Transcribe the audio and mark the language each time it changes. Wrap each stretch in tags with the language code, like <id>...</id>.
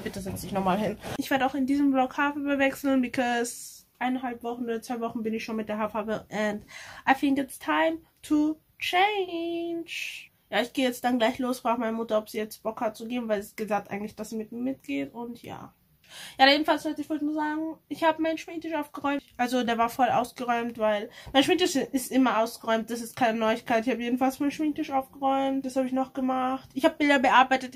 <de>Bitte setz dich nochmal hin. Ich werde auch in diesem Vlog Haarfarbe wechseln,</de> <en>because</en> <de>eineinhalb Wochen oder zwei Wochen bin ich schon mit der Haarfarbe.</de> <en>And I think it's time to change.</en> <de>Ja, ich gehe jetzt dann gleich los, frage meine Mutter, ob sie jetzt Bock hat zu gehen, weil sie gesagt eigentlich, dass sie mit mir mitgeht und ja. Ja, jedenfalls wollte ich nur sagen, ich habe meinen Schminktisch aufgeräumt. Also der war voll ausgeräumt, weil mein Schminktisch ist immer ausgeräumt. Das ist keine Neuigkeit. Ich habe jedenfalls meinen Schminktisch aufgeräumt. Das habe ich noch gemacht. Ich habe Bilder bearbeitet.</de>